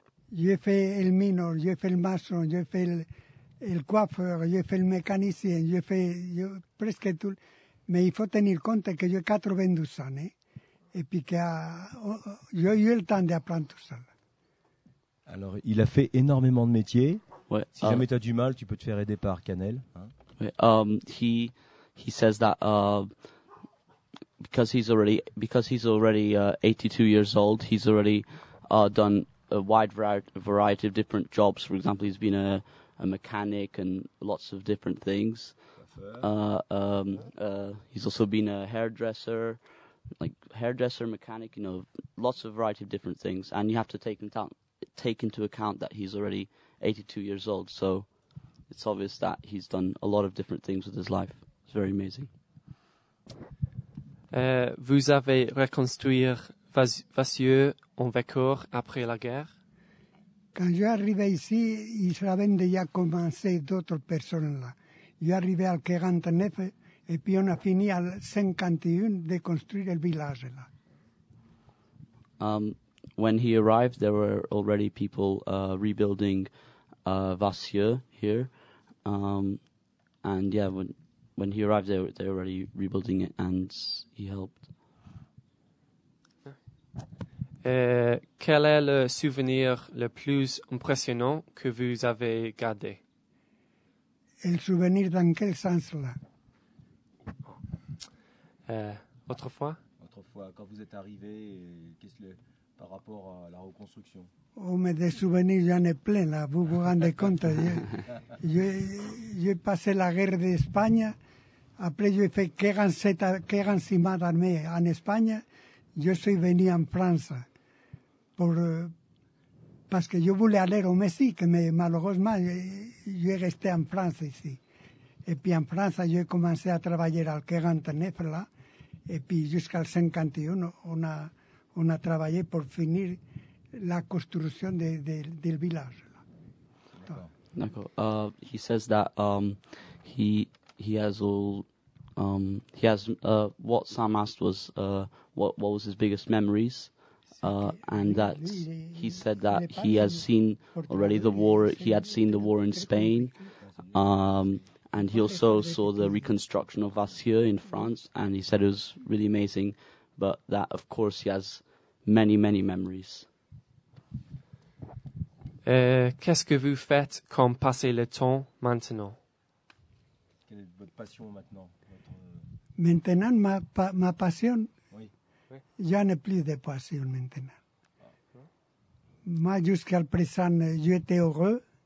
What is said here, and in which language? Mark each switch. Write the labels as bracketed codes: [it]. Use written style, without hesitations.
[fr] J'ai fait le mineur, j'ai fait le maçon, j'ai fait le coiffeur, j'ai fait le mécanicien, j'ai fait presque tout. Mais il faut tenir compte que j'ai 92 ans. Et puis que j'ai eu le temps d'apprendre tout ça. Alors, il a fait énormément de métiers. Ouais, si jamais tu as du mal, tu peux te faire aider par Canel. Hein. [en] He says that because he's already 82 years old, he's already done a wide variety of different jobs. For example, he's been a mechanic and lots of different things. He's also been a hairdresser, mechanic, you know, lots of variety of different things. And you have to take into account that he's already 82 years old. So it's obvious that he's done a lot of different things with his life. It's very amazing. [fr] Vous avez reconstruit Vasseur en Vécor après la guerre? Quand je suis arrivé ici, ils avaient déjà commencé d'autres personnes là. Je suis arrivé en 49 et puis on a fini en 51 de construire le village là. [en] When he arrived, there were already people rebuilding Vasseur here. And yeah, when he arrived, they were already rebuilding it and he helped. [fr] Quel est le souvenir le plus impressionnant que vous avez gardé? Un souvenir dans quel sens là? Autrefois? Autrefois, quand vous êtes arrivé, qu'est-ce que par rapport à la reconstruction? Oh, mais des souvenirs, j'en ai plein là, vous vous rendez compte. J'ai passé la guerre d'Espagne, après j'ai fait 46 mois d'armée en Espagne, je suis venu en France. Parce que je voulais aller au Mexique, mais malheureusement, j'ai resté en France ici. Et puis en France, j'ai commencé à travailler au 49 là, et puis jusqu'au 51, on a travaillé pour finir la construction du village. D'accord. [en] He says that what Sam asked was what was his biggest memories. And that he said that he has seen already the war. He had seen the war in Spain, and he also saw the reconstruction of Vasseur in France. And he said it was really amazing. But that, of course, he has many, many memories. [fr] Qu'est-ce que vous faites comme passer le temps maintenant? Quelle est votre passion maintenant? Maintenant, ma passion. Je n'ai plus de passion maintenant. Moi, jusqu'à présent, j'étais heureux.